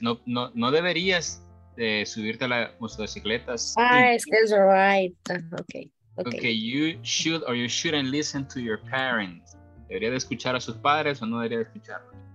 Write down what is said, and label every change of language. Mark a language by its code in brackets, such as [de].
[es] No, no, no deberías subirte a la motocicleta. [en] Ah, it's right. Okay. Okay, you should or you shouldn't listen to your parents. [es] ¿Debería de escuchar a sus padres o no debería de escucharlos?